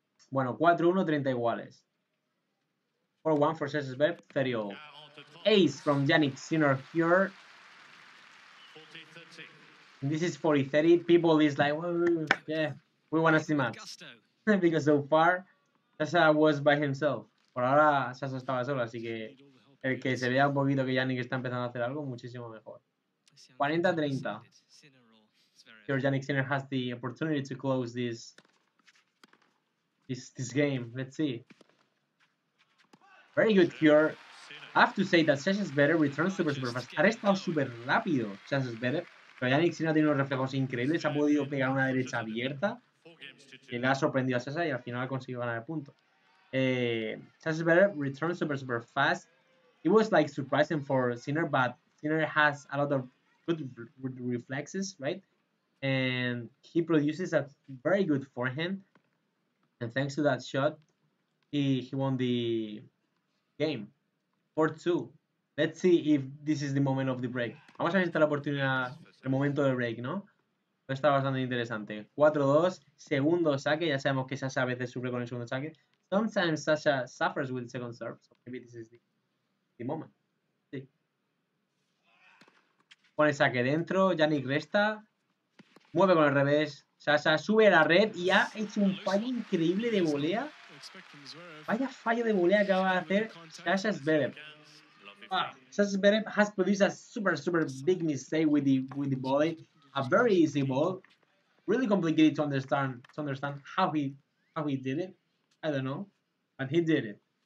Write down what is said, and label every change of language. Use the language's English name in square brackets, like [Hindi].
[Spanish] Bueno, 4-1, 30 iguales. [English] 4-1 for Zverev, 30-0. Ace from Jannik Sinner here. 40-30. This is 40-30. People is like, yeah, we want to see Mats. Because so far, Sasha was by himself. [Spanish] Por ahora, Sasha estaba solo, así que el que se vea un poquito que Jannik está empezando a hacer algo, muchísimo mejor. [English] 40-30. Here, Jannik Sinner has the opportunity to close this. This game, let's see. Very good cure. I have to say that Sasha's better returns super, super fast. [Spanish] Ha restado super rápido Sasha's better. Pero Jannik Sinner tiene unos reflejos increíbles. Ha podido pegar una derecha abierta. Que le ha sorprendido a Sasha y al final ha conseguido ganar el punto. [English] Sasha's better returns super, super fast. It was like surprising for Sinner, but Sinner has a lot of good reflexes, right? And he produces a very good forehand. And thanks to that shot, he won the game. 4-2. Let's see if this is the moment of the break. [Spanish] Vamos a ver si está la oportunidad, el momento del break, ¿no? Está bastante interesante. 4-2, segundo saque. Ya sabemos que Sasha a veces sufre con el segundo saque. [English] Sometimes Sasha suffers with second serve. So maybe this is the moment. Sí. [Spanish] Pone saque dentro. Jannik resta. Mueve con el revés. Sasha sube a la red y ha hecho un fallo increíble de volea. Vaya fallo de volea que acaba de hacer Sasha Zverev. [English] Sasha Zverev has produced a super, super big mistake with the volley. A very easy ball. Really complicated to understand how he did it. I don't know. But he did it.